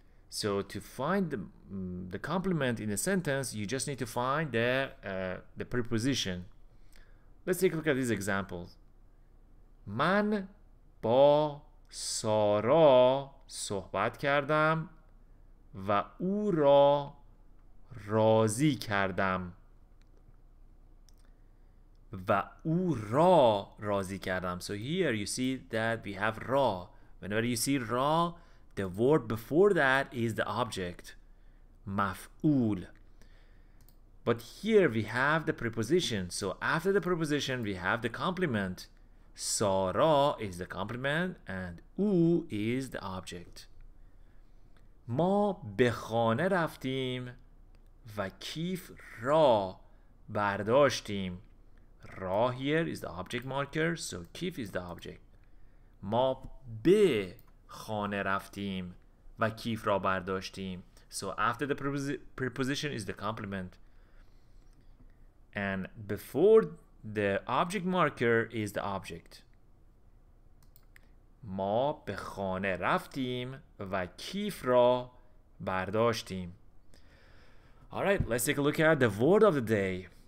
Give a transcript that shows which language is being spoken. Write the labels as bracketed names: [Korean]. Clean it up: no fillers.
[English] So to find the complement in a sentence, you just need to find the preposition. Let's take a look at these examples. [Persian] من با سارا صحبت کردم و او را راضی کردم و او را راضی کردم. [English] So here you see that we have را. Whenever you see را, the word before that is the object, مفعول. But here we have the preposition. So after the preposition, we have the complement. سارا is the complement and او is the object. [Persian] ما به خانه رفتیم و کیف را برداشتیم. [English] را here is the object marker, so کیف is the object. [Persian] ما به خانه رفتیم و کیف را برداشتیم. [English] So after the preposition is the complement. And before the object marker is the object. [Persian] ما به خانه رفتیم و کیف را برداشتیم. [English] Alright, let's take a look at the word of the day.